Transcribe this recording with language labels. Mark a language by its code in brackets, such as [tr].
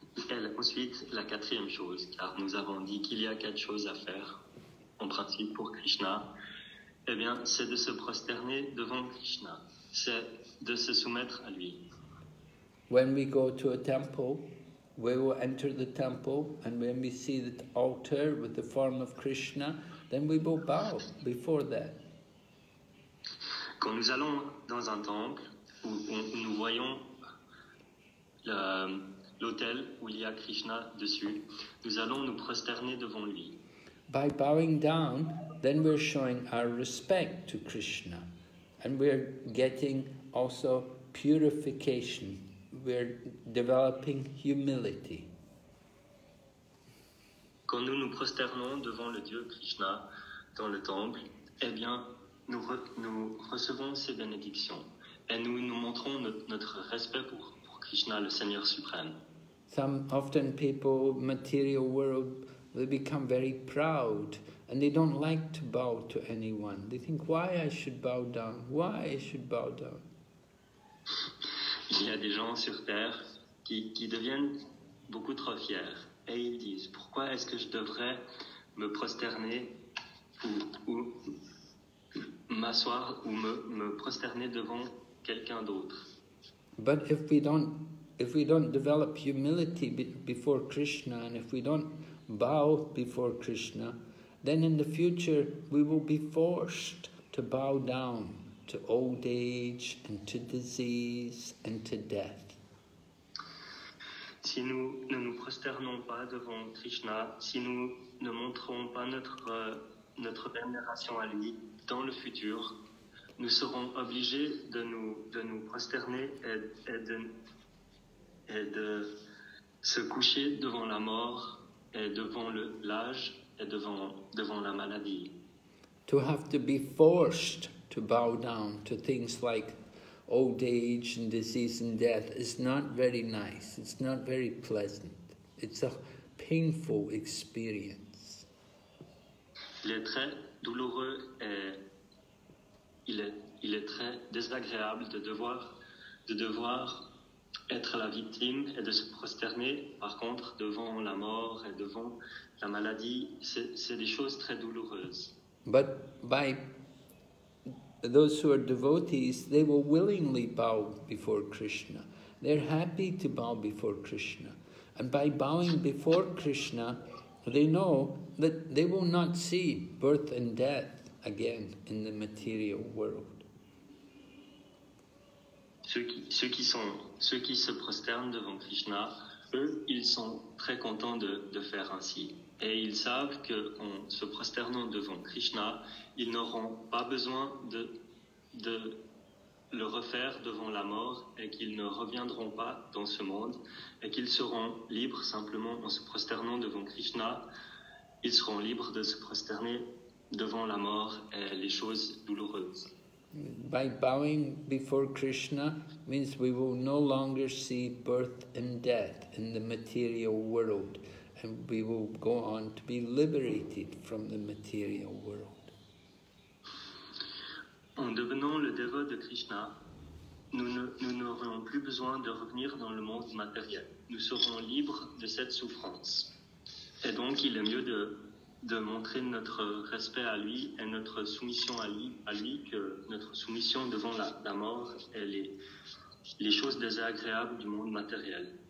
[fr] Et ensuite, la quatrième chose, car nous avons dit qu'il y a quatre choses à faire, en principe pour Krishna, eh bien, c'est de se prosterner devant Krishna, c'est de se soumettre à lui. [en] When we go to a temple, we will enter the temple, and when we see the altar with the form of Krishna, then we will bow before that. [fr] Quand nous allons dans un temple, où nous voyons la l'autel où il y a Krishna dessus, nous allons nous prosterner devant lui. [en] by bowing down, then we're showing our respect to Krishna. And we're getting also purification. We're developing humility. [fr] Quand nous nous prosternons devant le Dieu Krishna dans le temple, eh bien, nous recevons ses bénédictions et nous montrons notre respect pour Krishna, le Seigneur suprême. [en] Some often people, material world, they become very proud and they don't like to bow to anyone. They think, why I should bow down? Why I should bow down? [fr] Il y a des gens sur terre qui deviennent beaucoup trop fiers. Et ils disent, pourquoi est-ce que je devrais me prosterner ou m'asseoir ou me prosterner devant quelqu'un d'autre? [en] But if we don't develop humility before Krishna, and if we don't bow before Krishna, then in the future we will be forced to bow down to old age and to disease and to death. [fr] Si nous ne nous prosternons pas devant Krishna, si nous ne montrons pas notre vénération à lui dans le futur, nous serons obligés de nous prosterner et de se coucher devant la mort et devant l'âge et devant la maladie. [en] To have to be forced to bow down to things like old age and disease and death is not very nice. It's not very pleasant. It's a painful experience. [fr] Il est très douloureux et il est très désagréable de devoir être la victime et de se prosterner. Par contre, devant la mort et devant la maladie, c'est des choses très douloureuses. [en] But by those who are devotees, they will willingly bow before Krishna. They're happy to bow before Krishna. And by bowing before Krishna, they know that they will not see birth and death again in the material world. [fr] Ceux qui se prosternent devant Krishna, eux, ils sont très contents de faire ainsi. Et ils savent qu'en se prosternant devant Krishna, ils n'auront pas besoin de le refaire devant la mort et qu'ils ne reviendront pas dans ce monde et qu'ils seront libres simplement en se prosternant devant Krishna. Ils seront libres de se prosterner devant la mort et les choses douloureuses. [en] By bowing before Krishna means we will no longer see birth and death in the material world. And we will go on to be liberated from the material world. [fr] En devenant le dévot de Krishna, nous n'aurons plus besoin de revenir dans le monde matériel. Nous serons libres de cette souffrance. Et donc, il est mieux de montrer notre respect à lui et notre soumission à lui que notre soumission devant la mort et les choses désagréables du monde matériel.